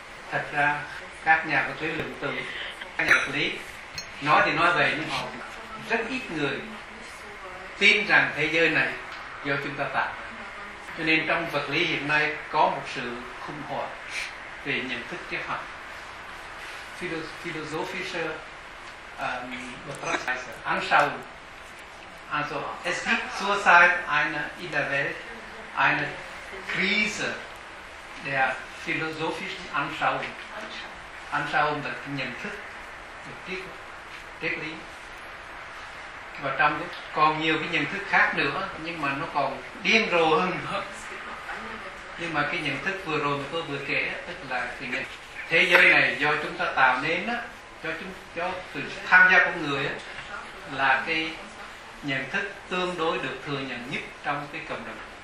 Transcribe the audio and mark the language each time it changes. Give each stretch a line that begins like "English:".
Vietnamese: Thật ra các nhà vật lý lượng tử, các nhà vật lý nói thì nói về, nhưng họ rất ít người tin rằng thế giới này do chúng ta tạo. Cho nên trong vật lý hiện nay có một sự khủng hoảng về nhận thức triết học.
German: Philosophischer Betrachtungsweise Anschauung. Also, es gibt zurzeit eine, in der Welt eine Krise der philosophischen Anschauung.
Vietnamese: Anschauung, das nhận thức, được triết, triết lý. Và trong đó còn nhiều cái nhận thức khác nữa, nhưng mà nó còn điên rồ hơn nữa. Nhưng mà cái nhận thức vừa rồi mà tôi vừa kể, tức là cái thế giới này do chúng ta tạo nên á, cho sự tham gia con người á, là cái nhận thức tương đối được thừa nhận nhất trong cái cộng đồng.